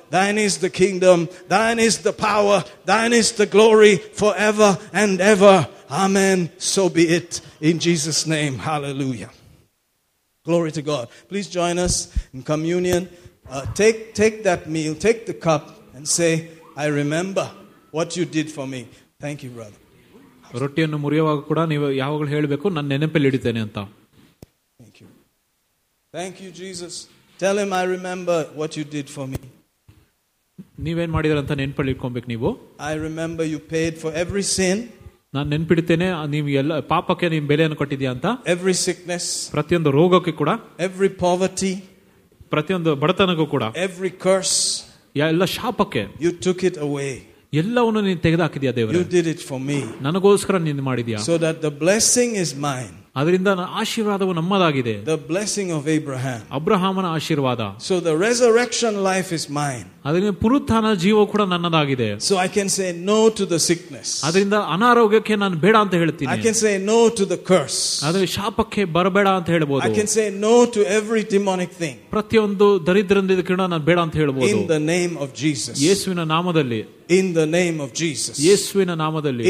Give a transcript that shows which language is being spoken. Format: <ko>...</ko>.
<en>Thine is the kingdom, thine is the power, thine is the glory forever and ever. Amen. So be it. In Jesus' name, hallelujah. Glory to God. Please join us in communion. Take that meal, take the cup and say, I remember what you did for me. Thank you, brother.</en> <kn>ರೊಟ್ಟಿಯನ್ನು ಮುರಿಯುವಾಗ ಕೂಡ ನೀವು ಯಾವಾಗಲೂ ಹೇಳಬೇಕು, ನನ್ನ ನೆನಪಲ್ಲಿ ಇಡುತ್ತೇನೆ ಅಂತ.</kn> <en>Thank you. Thank you, Jesus. Tell him I remember what you did for me.</en> <kn>ನೀವೇನ್ ಮಾಡಿದ್ರ ಅಂತ ನೆನಪಲ್ಲಿ ಇಟ್ಕೊಬೇಕು ನೀವು.</kn> <en>I remember you paid for every sin.</en> <kn>ನಾನು ನೆನಪಿಡ್ತೇನೆ ನೀವು ಎಲ್ಲ ಪಾಪಕ್ಕೆ ನೀವು ಬೆಲೆಯನ್ನು ಕೊಟ್ಟಿದ್ಯಾ ಅಂತ.</kn> <en>Every sickness.</en> <kn>ಪ್ರತಿಯೊಂದು ರೋಗಕ್ಕೆ ಕೂಡ.</kn> <en>Every poverty.</en> <kn>ಪ್ರತಿಯೊಂದು ಬಡತನಕ್ಕೂ ಕೂಡ.</kn> <en>Every curse.</en> <kn>ಎಲ್ಲ ಶಾಪಕ್ಕೆ.</kn> <en>You took it away.</en> <kn>ಎಲ್ಲವನ್ನು ನೀನು ತೆಗೆದುಹಾಕಿದ್ಯಾ ದೇವರೇ.</kn> <en>You did it for me.</en> <kn>ನನಗೋಸ್ಕರ ನೀನು ಮಾಡಿದ್ಯಾ.</kn> <en>So that the blessing is mine.</en> <kn>ಅದರಿಂದ ಆಶೀರ್ವಾದವು ನಮ್ಮದಾಗಿದೆ.</kn> <en>The blessing of Abraham.</en> <kn>ಅಬ್ರಹಾಮನ ಆಶೀರ್ವಾದ.</kn> <en>So the resurrection life is mine.</en> <kn>ಅದರಿಂದ ಪುನರುತ್ಥಾನ ಜೀವ ಕೂಡ ನನ್ನದಾಗಿದೆ.</kn> <en>So I can say no to the sickness.</en> <kn>ಅದರಿಂದ ಅನಾರೋಗ್ಯಕ್ಕೆ ನಾನು ಬೇಡ ಅಂತ ಹೇಳ್ತೀನಿ.</kn> <en>I can say no to the curse.</en> <kn>ಅದರಿಂದ ಶಾಪಕ್ಕೆ ಬರಬೇಡ ಅಂತ ಹೇಳಬಹುದು.</kn> <en>I can say no to every demonic thing.</en> <kn>ಪ್ರತಿಯೊಂದು ದರಿದ್ರಂದಿದ ಕಿರಣ ನಾನು ಬೇಡ ಅಂತ ಹೇಳಬಹುದು.</kn> <en>In the name of Jesus.</en> <kn>ಯೇಸುವಿನ ನಾಮದಲ್ಲಿ.</kn> <en>In the name of Jesus.</en> <kn>ಯೇಸುವಿನ ನಾಮದಲ್ಲಿ.</kn>